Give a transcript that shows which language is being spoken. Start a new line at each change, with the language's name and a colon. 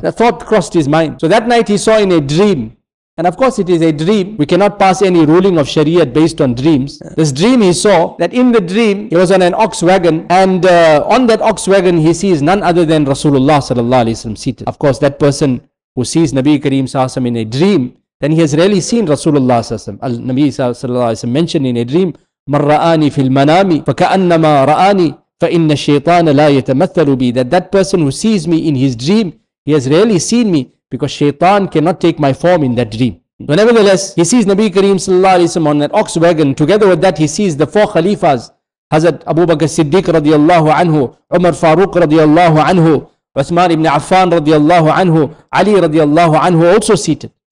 English: That thought crossed his mind. So that night he saw in a dream, and of course it is a dream, we cannot pass any ruling of Sharia based on dreams. This dream he saw, that in the dream he was on an ox wagon, and on that ox wagon he sees none other than Rasulullah sallallahu alaihi wasallam seated. Of course, that person who sees Nabi Kareem sallallahu alaihi wasallam in a dream, then he has really seen Rasulullah sallallahu alaihi wasallam. Nabi sallallahu alaihi wasallam mentioned in a dream,
Arabic: مَنْ رَآنِي فِي الْمَنَامِ فَكَأَنَّمَا رَآنِي فَإِنَّ الشَّيْطَانَ لَا يَتَمَثَّلُ بِي.
English: That person who sees me in his dream, he has really seen me, because shaitan cannot take my form in that dream. But nevertheless, he sees Nabi Kareem sallallahu alayhi wa sallam on that ox wagon. Together with that, he sees the four khalifas, Hazrat Abu Bakr Siddiq radiallahu anhu, Umar Farooq radiallahu anhu, Uthman ibn Affan radiallahu anhu, Ali radiallahu anhu, also seated.